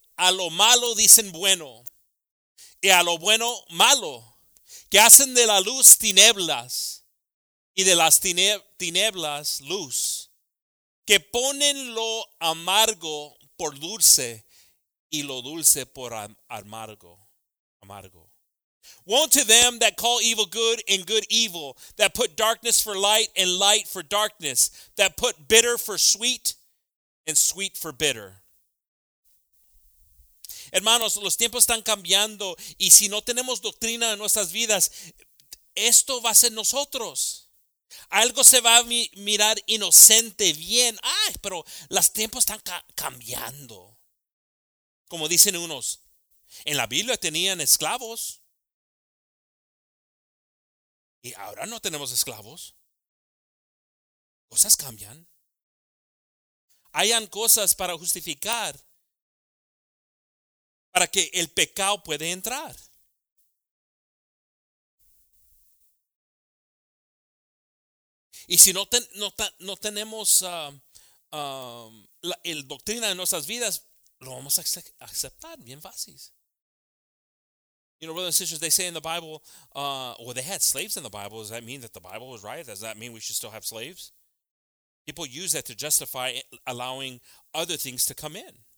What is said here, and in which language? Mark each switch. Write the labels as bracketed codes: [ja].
[es] a lo malo dicen bueno, y a lo bueno malo, que hacen de la luz tinieblas, y de las tinieblas luz, que ponen lo amargo por dulce, y lo dulce por amargo. [en] Woe to them that call evil good and good evil, that put darkness for light and light for darkness, that put bitter for sweet and sweet for bitter. [es] Hermanos, los tiempos están cambiando, y si no tenemos doctrina en nuestras vidas, esto va a ser nosotros. Algo se va a mirar inocente, bien. Ay, pero los tiempos están cambiando. Como dicen unos, en la Biblia tenían esclavos. Y ahora no tenemos esclavos. Cosas cambian. Hayan cosas para justificar, para que el pecado pueda entrar. Y si no tenemos la doctrina de nuestras vidas, lo vamos a aceptar bien fácil. [en] You know, brothers and sisters, they say in the Bible, they had slaves in the Bible. Does that mean that the Bible was right? Does that mean we should still have slaves? People use that to justify allowing other things to come in.